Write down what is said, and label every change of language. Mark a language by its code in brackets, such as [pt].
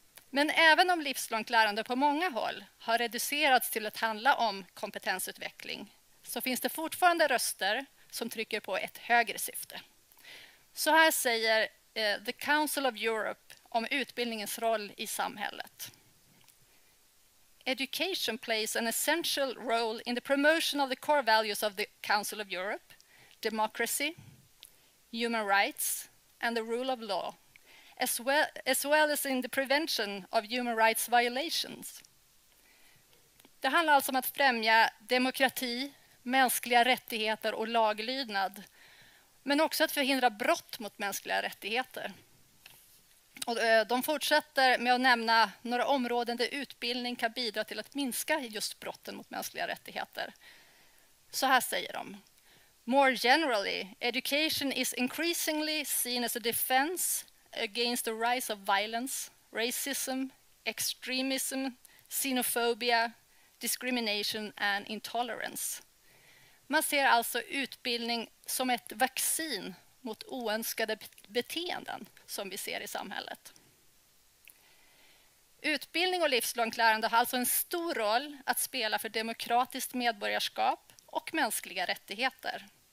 [sv] Men även om livslångt lärande på många håll har reducerats till att handla om kompetensutveckling så finns det fortfarande röster som trycker på ett högre syfte. Så här säger The Council of Europe om utbildningens roll i samhället. [en] Education plays an essential role in the promotion of the core values of the Council of Europe, democracy, human rights and the rule of law. As well as in the prevention of human rights violations. [sv] Det handlar alltså om att främja demokrati, mänskliga rättigheter och laglydnad. Men också att förhindra brott mot mänskliga rättigheter. Och de fortsätter med att nämna några områden där utbildning kan bidra till att minska just brotten mot mänskliga rättigheter. Så här säger de. [en] More generally, education is increasingly seen as a defense against the rise of violence, racism, extremism, xenophobia, discrimination and intolerance. [sv] Man ser alltså utbildning som ett vaccin mot oönskade beteenden som vi ser i samhället. Utbildning och livslångt lärande har alltså en stor roll att spela för demokratiskt medborgarskap och mänskliga rättigheter.